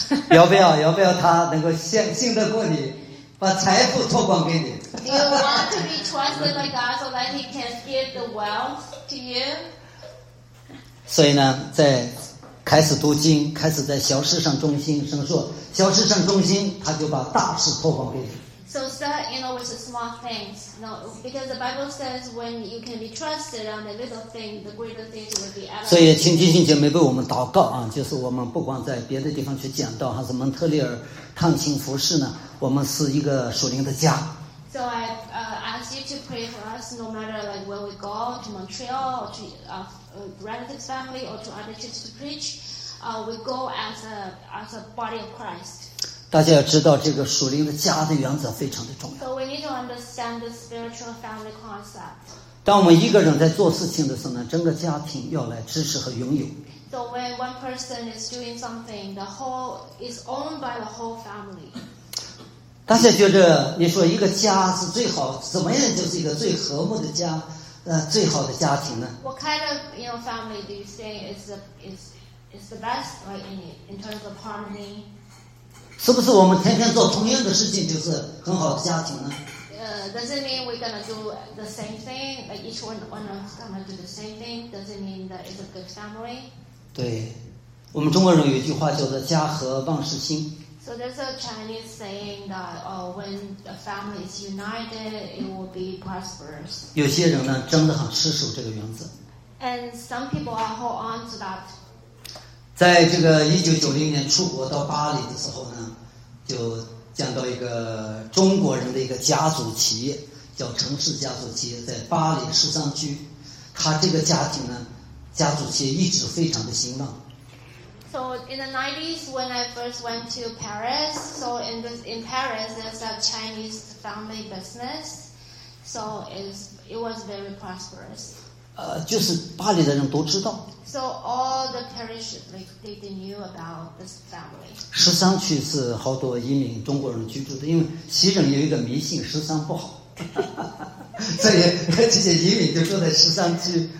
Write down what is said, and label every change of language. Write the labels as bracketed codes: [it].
[zh] 要不要他能够信得过你，把财富托管给你。 [en] Do you want to be trusted like that so that he can give the wealth to you? [zh] 所以呢，在开始读经，开始在小事上忠心，神说小事上忠心，他就把大事托管给你。 [en] So start, you know, with the small things. You know, because the Bible says when you can be trusted on the little thing, the greater things will be added. [zh] 所以，请弟兄姐妹为我们祷告啊！就是我们不管在别的地方去讲道，还是蒙特利尔探亲服事呢，我们是一个属灵的家。 [en] So I ask you to pray for us, no matter like where we go, to Montreal, or to relative family, or to other churches to preach. We go as a body of Christ. [zh] 大家要知道这个属灵的家的原则非常的重要。 [en] So we need to understand the spiritual family concept. [zh] 当我们一个人在做事情的时候呢，整个家庭要来支持和拥有。 [en] So when one person is doing something, the whole is owned by the whole family. [zh] 大家觉得你说一个家是最好，怎么样就是一个最和睦的家，最好的家庭呢 [en] ？What kind of, you know, family do you say is the best, right, in terms of harmony? [zh] 是不是我们天天做同样的事情就是很好的家庭呢？ [en] Does it mean we're gonna do the same thing? Like each one of us gonna do the same thing? Does it mean that it's a good family? [zh] 对，我们中国人有一句话叫做"家和万事兴"。 [en] So there's a Chinese saying that, when a family is united, it will be prosperous. [zh] 有些人呢，真的很持守这个原则。 [en] And some people are hold on to that. [zh] 在这个1990年出国到巴黎的时候呢，就讲到一个中国人的一个家族企业，叫城市家族企业，在巴黎十三区。他这个家庭呢，家族企业一直非常的兴旺。 [en] So in the 90s, when I first went to Paris, so in Paris there's a Chinese family business, so it was very prosperous. [zh] 就是巴黎的人都知道。 [en] So all the parish, like, they knew about this family. [zh] 十三区是好多移民中国人居住的，因为西人有一个迷信，十三不好，所以这些移民就住在十三区。